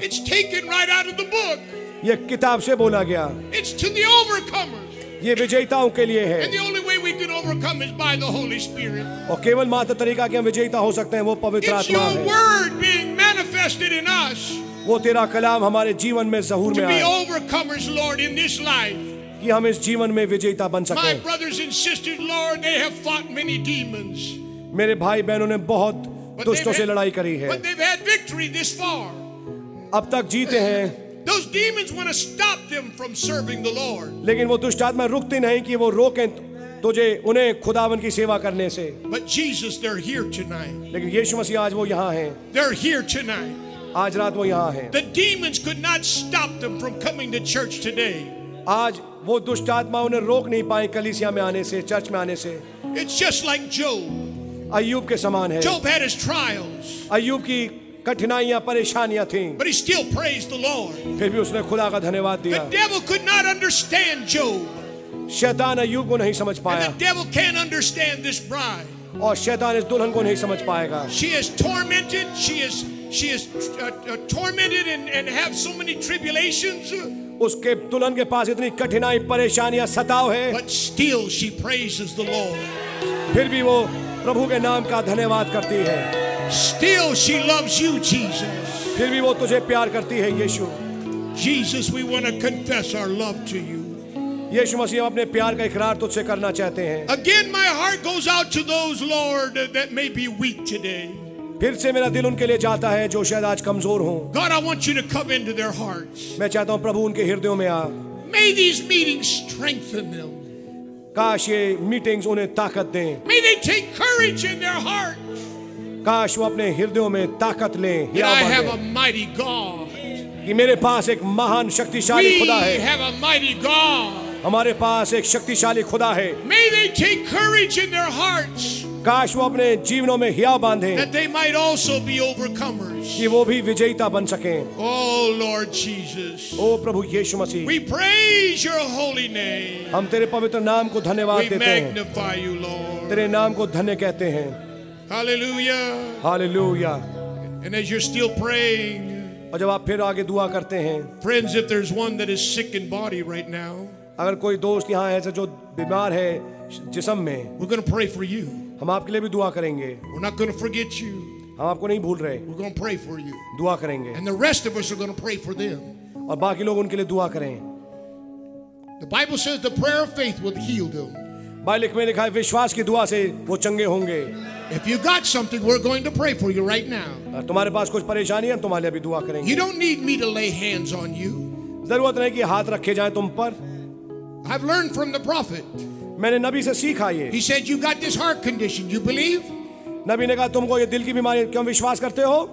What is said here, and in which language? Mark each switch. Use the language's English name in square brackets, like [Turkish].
[English] It's taken right out of the book. [Hindi] ये किताब से बोला गया [English] It's to the overcomers. [Hindi] ये विजेताओं के लिए है [English] And the only way we can overcome is by the Holy Spirit. [Hindi] और केवल मात्र तरीका कि हम विजेता हो सकते हैं वो पवित्र आत्मा है [English] It's your word being manifested in us. [Hindi] वो तेरा कलाम हमारे जीवन में जहूर में आए। [English] To be overcomers, Lord, in this life. [Hindi] कि हम इस जीवन में विजेता बन सकें। [English] My brothers and sisters, Lord, they have fought many demons. [Hindi] मेरे भाई बहनों ने बहुत दुष्टों से लड़ाई करी है। [English] But they've had victory this far. [Hindi] अब तक जीते हैं। [English] Those demons want to stop them from serving the Lord. [Hindi] लेकिन वो दुष्ट आत्मा रुकती नहीं कि वो रोकें तुझे उन्हें खुदावन की सेवा करने से। [English] But Jesus, they're here tonight. [Hindi] लेकिन यीशु मसीह आज वो यहाँ हैं। [English] They're here tonight. [Hindi] आज रात वो यहाँ है [English] The demons could not stop them from coming to church today. [Hindi] आज वो दुष्ट आत्मा उन्हें रोक नहीं पाए कलीसिया में आने से चर्च में आने से [English] It's just like Job. [Hindi] अय्यूब के समान है [English] Job had his trials. [Hindi] अय्यूब की कठिनाइयां परेशानियां थीं [English] But he still praised the Lord. [Hindi] फिर भी उसने खुदा का धन्यवाद दिया [English] The devil could not understand Job. [Hindi] शैतान अय्यूब को नहीं समझ पाया [English] And the devil can't understand this bride. [Hindi] और शैतान इस दुल्हन को नहीं समझ पाएगा [English] She is tormented. She is tormented and have so many tribulations. [Hindi] उसके दुल्हन के पास इतनी कठिनाई परेशानियां सताव है [English] But still she praises the Lord. [Hindi] फिर भी वो प्रभु के नाम का धन्यवाद करती है [English] Still she loves you, Jesus. [Hindi] फिर भी वो तुझे प्यार करती है यीशु [English] Jesus, we want to confess our love to you. [Hindi] यीशु मसीह हम अपने प्यार का इकरार तुझसे करना चाहते हैं. [English] Again my heart goes out to those Lord that may be weak today. [Hindi] फिर से मेरा दिल उनके लिए जाता है जो शायद आज कमजोर हों. [English] God I want you to come into their hearts. [Hindi] मैं चाहता हूं प्रभु उनके हृदयों में आ. [English] May these meetings strengthen them. [Hindi] काश ये मीटिंग्स उन्हें ताकत दें. [English] May they take courage in their hearts. [Hindi] काश वो अपने हृदयों में ताकत लें. [English] I have a mighty God. [Hindi] कि मेरे पास एक महान शक्तिशाली खुदा है. [English] We have a mighty God. [Hindi] हमारे पास एक शक्तिशाली खुदा है. [English] May they take courage in their hearts. [Hindi] काश वो अपने जीवनों में हिया बांधें. [English] That they might also be overcomers. [Hindi] कि वो भी विजेता बन सकें. [English] Oh Lord Jesus. [Hindi] O Prabhu Yeshu Masih. [English] We praise your holy name. [Hindi] हम तेरे पवित्र नाम को धन्यवाद देते हैं. [English] We magnify you, Lord. [Hindi] तेरे नाम को धन्य कहते हैं. [English] Hallelujah. [Hindi] Hallelujah. [English] And as you're still praying. [Hindi] और जब आप फिर आगे दुआ करते हैं. [English] Friends, if there's one that is sick in body right now. [Hindi] अगर कोई दोस्त यहाँ है जो बीमार है जिस्म में, [English] we're gonna pray for you. [Hindi] हम आपके लिए भी दुआ करेंगे. [English] We're not gonna forget you. [Hindi] हम आपको नहीं भूल रहे. [English] We're gonna pray for you. [Hindi] दुआ करेंगे. [English] And the rest of us are gonna pray for them. [Hindi] और बाकी लोग उनके लिए दुआ करें. [English] The Bible says the prayer of faith will heal them. [Hindi] Bible में लिखा है विश्वास की दुआ से वो चंगे होंगे. [English] If you got something, we're going to pray for you right now. [Hindi] तुम्हारे पास कुछ परेशानी है, हम तुम्हारे लिए भी दुआ करेंगे. [English] You don't need me to lay hands on you. [Hindi] जरूरत नहीं कि हाथ रखे जाए तुम पर. [English] I've learned from the prophet. [Hindi] मैंने नबी से सीखा ये. [English] He said, "You got this heart condition. You believe?" [Hindi] नबी ने कहा तुमको ये दिल की बीमारी है, क्यों विश्वास करते हो?